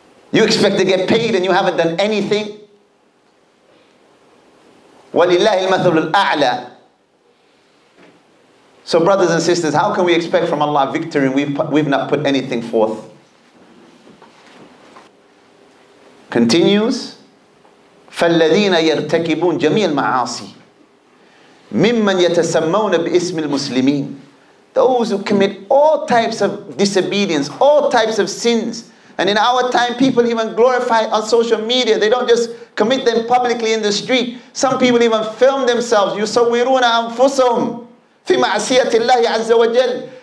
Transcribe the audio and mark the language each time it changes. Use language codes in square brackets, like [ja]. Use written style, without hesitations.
[en] You expect to get paid and you haven't done anything? [ar] وَلِلَّهِ الْمَثَلُ الْأَعْلَى. [en] So brothers and sisters, how can we expect from Allah victory and we've not put anything forth? Continues, [ar] فَالَّذِينَ يَرْتَكِبُونَ جَمِيعَ الْمَعَاصِي مِمَّنْ يَتَسَمَّوْنَ بِإِسْمِ الْمُسْلِمِينَ. [en] Those who commit all types of disobedience, all types of sins. And in our time, people even glorify on social media. They don't just commit them publicly in the street. Some people even film themselves. [ar] يُصَوِّرُونَ أَنفُسَهُمْ فِي مَعْسِيَةِ اللَّهِ عَزَّ وَجَلْ.